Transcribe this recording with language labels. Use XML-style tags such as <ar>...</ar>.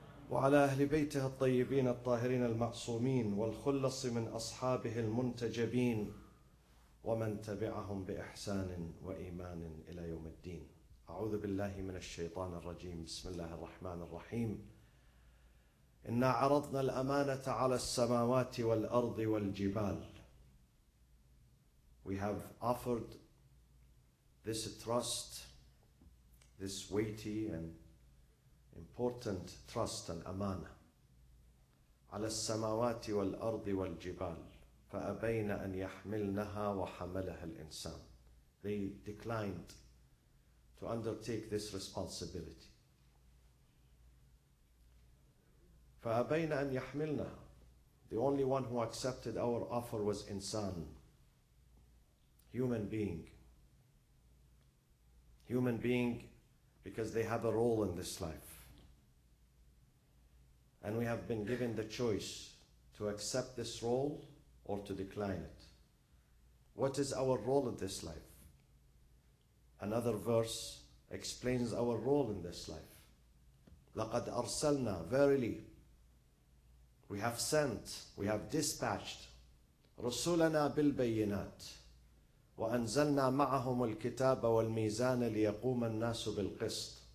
<ar>وعلى أهل بيته الطيبين الطاهرين المعصومين، والخلص من أصحابه المنتجبين، ومن تبعهم بإحسان وإيمان إلى يوم الدين. أعوذ بالله من الشيطان الرجيم، بسم الله الرحمن الرحيم. إنا عرضنا الأمانة على السماوات والأرض والجبال.</ar> <en>We have offered this trust, this weighty and important trust and أمانة.</en> <ar>على السماوات والأرض والجبال. فَأَبَيْنَ أَنْ يَحْمِلْنَهَا وَحَمَلَهَا الْإِنسَانِ.</ar> <en>They declined to undertake this responsibility.</en> <ar>فَأَبَيْنَ أَنْ يَحْمِلْنَهَا.</ar> <en>The only one who accepted our offer was insan, human being. Human being because they have a role in this life. And we have been given the choice to accept this role or to decline it. What is our role in this life? Another verse explains our role in this life.</en> <ar>لَقَدْ أَرْسَلْنَا.</ar> <en>Verily, we have sent, we have dispatched</en> <ar>رُسُولَنَا بِالْبَيِّنَاتِ وَأَنْزَلْنَا مَعَهُمُ الْكِتَابَ وَالْمِيزَانَ لِيَقُومَ النَّاسُ بِالْقِسْطِ.</ar>